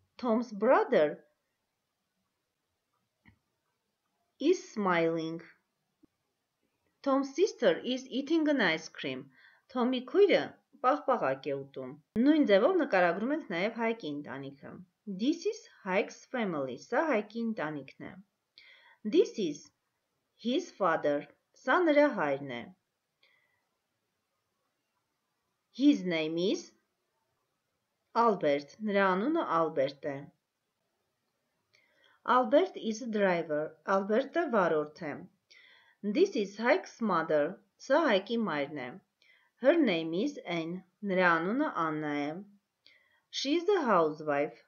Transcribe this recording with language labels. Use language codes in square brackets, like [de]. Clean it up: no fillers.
[en] Tom's brother is smiling. Tom's sister is eating an ice cream. [hy] Թոմի քույրը պաղպաղակ է ուտում։ Նույն ձևով նկարագրում ենք նաև Հայկի ընտանիքը։ [en] This is Hike's family. [hy] Սա Հայկի ընտանիքն է։ [en] This is his father. [hy] Սա նրա հայրն է։ [en] His name is Albert. [hy] Նրա անունը Albert է։ [en] Albert is a driver. [hy] Albert-ը վարորդ է։ [en] This is Hike's mother. [hy] Սա Հայկի մայրն է. [en] Her name is Anne. [hy] Նրա անունը Աննա է. [en] She is a housewife.